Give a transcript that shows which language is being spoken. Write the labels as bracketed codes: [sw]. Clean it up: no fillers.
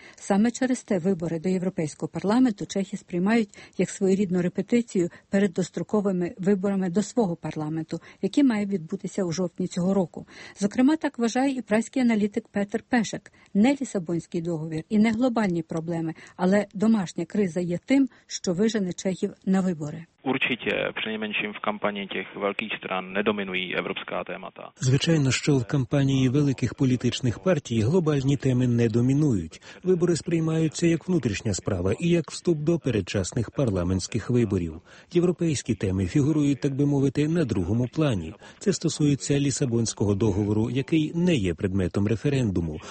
[uk] Саме через те вибори до Європейського парламенту чехи сприймають як своєрідну репетицію перед достроковими виборами до свого парламенту, які мають відбутися у жовтні цього року. Зокрема, так вважає і празький аналітик Петер Пешек. Не Лісабонський договір і не глобальні проблеми, але домашня криза є тим, що вижене чехів на вибори. [cs] Určitě, přinejmenším v kampani těch velkých stran nedominují evropská témata. [uk] Звичайно, що в кампанії великих політичних партій глобальні теми не домінують. Вибори сприймаються як внутрішня справа і як вступ до передчасних парламентських виборів. Європейські теми фігурують, так би мовити, на другому плані. Це стосується Лісабонського договору, який не є предметом референдуму.